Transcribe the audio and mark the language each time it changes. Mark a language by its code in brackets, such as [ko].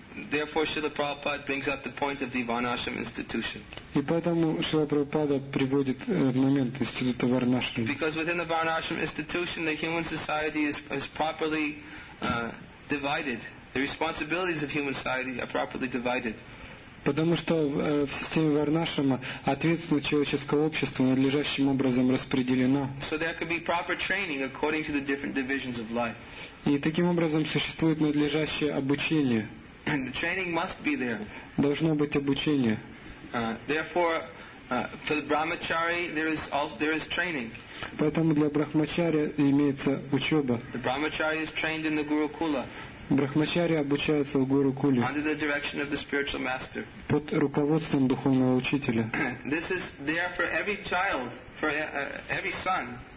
[en] Therefore, Srila Prabhupada brings up the point of the Varnashram institution. [ru] И поэтому Шрила Прабхупада приводит момент института Варнашрам. [en] Because within the Varnashram institution, the human society is properly divided. The responsibilities of human society are properly divided. [ru] Потому что в системе Варнашрама ответственность человеческого общества надлежащим образом распределена. [en] So there could be proper training according to the different divisions of life. [ru] И таким образом существует надлежащее обучение. [en] And the training must be there. [ru] Должно быть обучение. [en] Therefore, for the brahmachari, there is training. [ru] Поэтому для брахмачари имеется учеба. [en] The brahmachari is trained in the gurukula. [ru] Брахмачари обучаются в гурукуле. [en] Under the direction of the spiritual master. [ru] Под руководством духовного учителя. [en] This is there for every child, for every son.